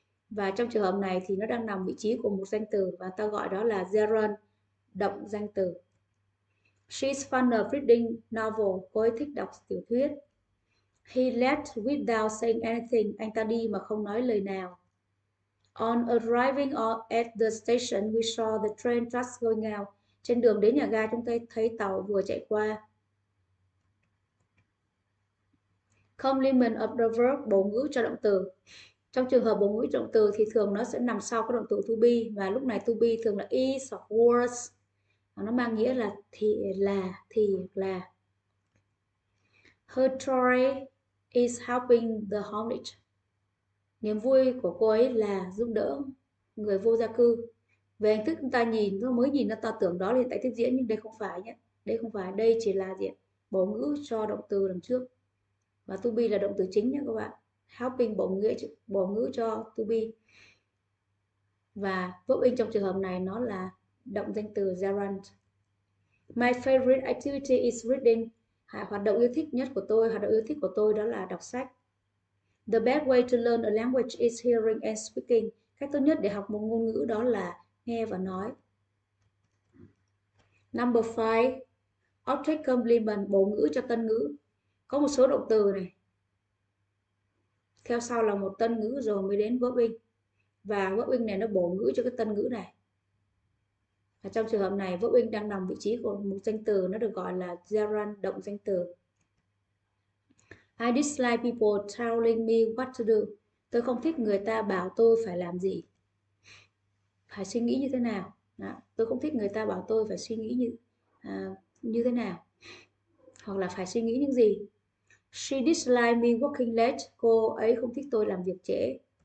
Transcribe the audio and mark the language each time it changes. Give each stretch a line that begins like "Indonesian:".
Vietnamese: Và trong trường hợp này thì nó đang nằm vị trí của một danh từ và ta gọi đó là gerund, động danh từ.
English: She's fond of reading novel.
Vietnamese: Cô ấy thích đọc tiểu thuyết.
English: He left without saying anything.
Vietnamese: Anh ta đi mà không nói lời nào.
English: On arriving at the station, we saw the train tracks going out.
Vietnamese: Trên đường đến nhà ga chúng ta thấy tàu vừa chạy qua.
English: Complement of the verb,
Vietnamese: bổ ngữ cho động từ. Trong trường hợp bổ ngữ động từ thì thường nó sẽ nằm sau cái động từ to be, và lúc này to be thường là is hoặc was, nó mang nghĩa là thì là.
English: Her joy is helping the homeless.
Vietnamese: Niềm vui của cô ấy là giúp đỡ người vô gia cư. Về hình thức chúng ta nhìn, chúng mới nhìn ta tưởng đó là hiện tại tiếp diễn, nhưng đây không phải nhé. Đây không phải, đây chỉ là gì? Bổ ngữ cho động từ đằng trước. Và to be là động từ chính nhé các bạn. helping bổ nghĩa, bổ ngữ cho to be. Và verb in trong trường hợp này nó là động danh từ gerund.
English: My favorite activity is reading.
Vietnamese: Hoạt động yêu thích nhất của tôi, hoạt động yêu thích của tôi đó là đọc sách.
English: The best way to learn a language is hearing and speaking.
Vietnamese: Cách tốt nhất để học một ngôn ngữ đó là nghe và nói.
English: Number 5. Object complement,
Vietnamese: bổ ngữ cho tân ngữ. Có một số động từ này theo sau là một tân ngữ rồi mới đến verb in. Và verb in này nó bổ ngữ cho cái tân ngữ này. Và trong trường hợp này, verb in đang nằm vị trí của một danh từ, nó được gọi là gerund, động danh từ.
English: I dislike people telling me what to do.
Vietnamese: Tôi không thích người ta bảo tôi phải làm gì, phải suy nghĩ như thế nào. Đó. Tôi không thích người ta bảo tôi phải suy nghĩ như thế nào, hoặc là phải suy nghĩ những gì.
English: She dislike me working late.
Vietnamese: Cô ấy không thích tôi làm việc trễ.